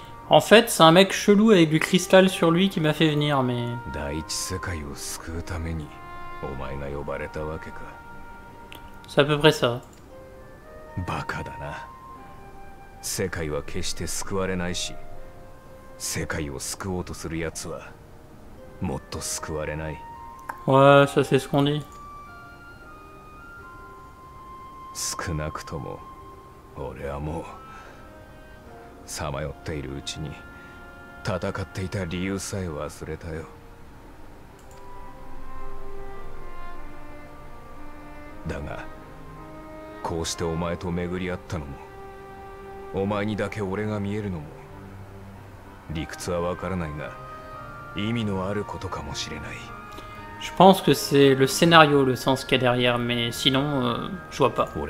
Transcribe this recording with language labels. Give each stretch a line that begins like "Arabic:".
French: En fait, c'est un mec chelou avec du cristal sur lui qui m'a fait venir, mais...
Japanese: 第一世界を救うためにお前が呼ばれたわけか。
French: C'est à peu près ça.
Japanese: バカだな。世界は決して救われないし。世界を救おうとする奴はもっと救われない。
French: Ouais, ça c'est ce qu'on dit.
Japanese: 少なくとも俺はもうさまよっているうちに戦っていた理由さえ忘れたよ。だがこうしてお前と巡り合ったのも、お前にだけ俺が見えるのも、理屈はわからないが、意味のあることかもしれない。
French: Je pense que c'est le scénario le sens qu'il y a derrière, mais sinon, je vois pas.